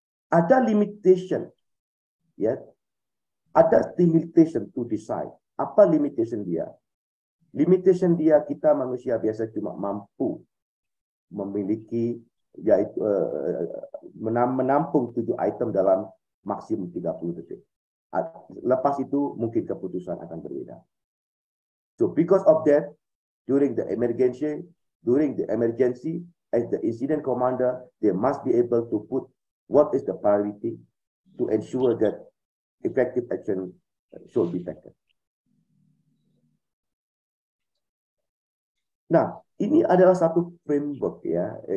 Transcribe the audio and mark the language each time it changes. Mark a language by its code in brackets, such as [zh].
[ms] ada limitation, ya, ada limitation [en] to decide. [ms] Apa limitation dia? Limitation dia, kita manusia biasa cuma mampu memiliki, yaitu menampung 7 item dalam maksimum 30 detik. Lepas itu mungkin keputusan akan berbeda. [en] So because of that, during the emergency, as the incident commander, they must be able to put what is the priority to ensure that effective action should be taken. [ms] Nah, ini adalah satu framework ya.